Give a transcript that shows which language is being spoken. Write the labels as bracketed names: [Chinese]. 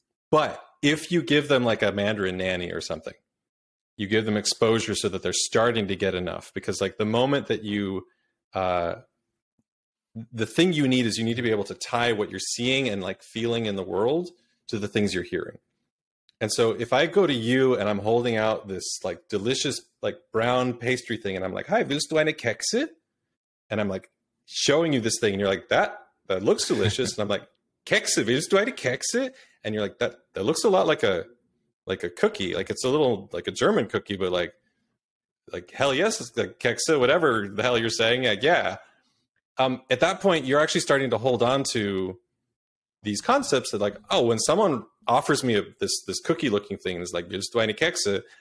[English] But if you give them like a Mandarin nanny or something, you give them exposure so that they're starting to get enough, because like the moment that you, the thing you need is you need to be able to tie what you're seeing and like feeling in the world to the things you're hearing. And so if I go to you and I'm holding out this like delicious, like brown pastry thing, and I'm like, hi, [German] willst du eine Kekse? [English] And I'm like showing you this thing and you're like, that looks delicious. And I'm like, [German] Kekse, willst du eine Kekse? [English] And you're like, that looks a lot like a cookie. Like it's a little like a German cookie, but like hell yes, it's like Kekse, whatever the hell you're saying. Like, yeah. At that point, you're actually starting to hold on to these concepts that like, oh, when someone offers me this cookie looking thing and is like, [German] willst du eine Kekse?